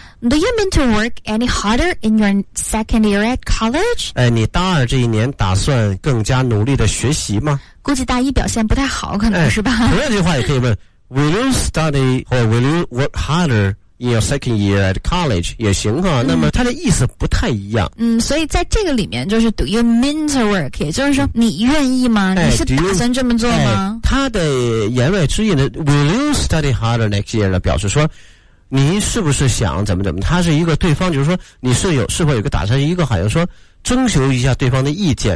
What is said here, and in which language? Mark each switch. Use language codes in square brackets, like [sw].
[en] Do you mean to work any harder in your second year at college？ [zh] 哎，你大二这一年打算更加努力的学习吗？估计大一表现不太好，可能、是吧。同样这句话也可以问。 [en] Will you study or will you work harder in your second year at college？ [zh] 也行哈、那么它的意思不太一样。嗯，所以在这个里面就是 [en] Do you mean to work？ [zh] 也就是说你愿意吗、你是打算这么做吗？它、的言外之意呢 ， [en] Will you study harder next year？ [zh] 呢，表示说你是不是想怎么怎么？它是一个对方，就是说你是否有个打算，一个好像说征求一下对方的意见。